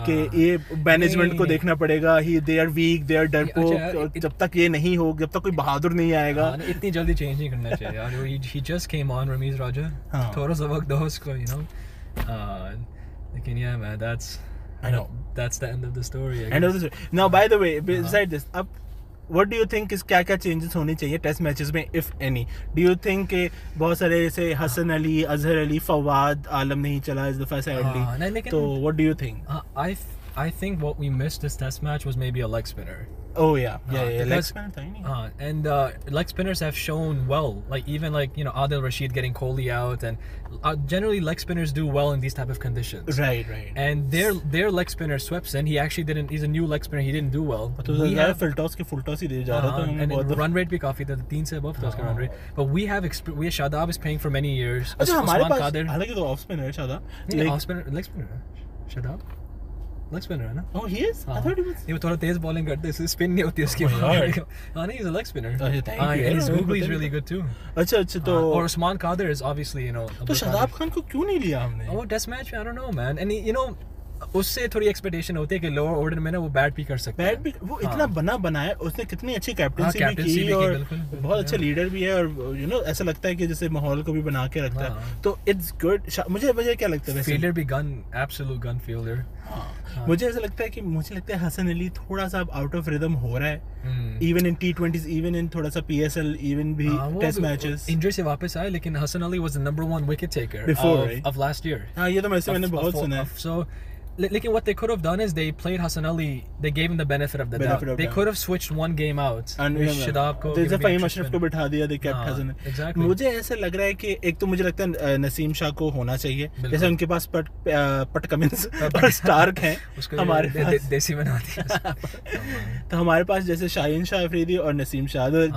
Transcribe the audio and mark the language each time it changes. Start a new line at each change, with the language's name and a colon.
Hindi: कि ये मैनेजमेंट को देखना पड़ेगा,
English: he they are weak, they are
Hindi: डरपोक, जब तक ये नहीं हो, जब तक कोई बहादुर नहीं आएगा. इतनी जल्दी चेंज नहीं करना चाहिए यार,
English: he just came on
Hindi: रमीज राजा, थोड़ा सा वक्त दो उसको,
English: You know. लेकिन yeah man, that's I know, that's the end of the story. End of the story. Now by the way, beside this, अब what do you think is
Hindi: kya kya changes honi chahiye test matches mein,
English: if any? Do you think
Hindi: ke bahut sare aise
English: Hasan Ali, Azhar Ali, Fawad Alam
Hindi: nahi chala
English: is the first sadly, so what do you think? I think what we missed this test match was maybe a leg spinner. Oh yeah, leg spinner tiny. And leg spinners have shown well, like even like, you know, Adil Rashid getting Kohli out, and generally leg spinners do well in these type of conditions. Right. And their leg spinner sweeps in. He's a new leg spinner. He didn't do well. Run rate
Hindi: bhi kaafi tha, 3 se
English: above toss ke run rate. But we have Shadab is paying for many years.
Hindi: Acha, hamare paas Qadir, halanki to off spinner hai Shadab.
English: Leg spinner Shadab.
Hindi: Leg spinner है ना?
English: Oh he is? I thought he was.
Hindi: ये वो थोड़ा तेज bowling करते हैं, इसलिए spin नहीं होती उसकी.
English: Oh my god. हाँ नहीं, he's a leg spinner. Thank you. And his googly is really good too.
Hindi: अच्छा तो.
English: Or Usman Khawaja is obviously, you know.
Hindi: तो Shadab Khan को क्यों नहीं लिया हमने?
English: Oh test match, I don't know man. And you know,
Hindi: उससे थोड़ी एक्सपेक्टेशन होती है कि लोअर ऑर्डर में ना वो बैट भी कर सकते हैं. बैट भी वो इतना बनाया, उसने कितनी अच्छी कैप्टनसी भी की और बहुत अच्छा लीडर भी है, और
English: you know
Hindi: ऐसा लगता है कि जैसे माहौल को भी बना के रखता है, तो
English: It's good.
Hindi: मुझे क्या लगता है,
English: Fielder भी gun, absolute gun fielder.
Hindi: मुझे ऐसा लगता है कि हसन अली थोड़ा सा आउट ऑफ रिदम हो रहा है,
English: even in T20s, even in
Hindi: थोड़ा सा PSL, इवन भी टेस्ट मैचेस. इंजरी से वापस आए, लेकिन Hasan Ali
English: Was the number one wicket taker before of last year.
Hindi: हां, ये तो मैंने बहुत सुना है.
English: So Like, what they could have done is they played Hassan Ali. They gave him the benefit of the doubt. They could have switched one game out. And with Shadab ko. They just Fahim Ashraf
Hindi: ko bitha diya.
English: They kept Hassan Ali. Exactly.
Hindi: मुझे ऐसे लग रहा है कि एक तो मुझे लगता है नसीम शाह को होना चाहिए. जैसे उनके पास पट पट कमिंस और स्टार्क हैं. हमारे पास देसी बना दिया. तो हमारे पास जैसे शाहीन शाह अफरीदी और नसीम शाह.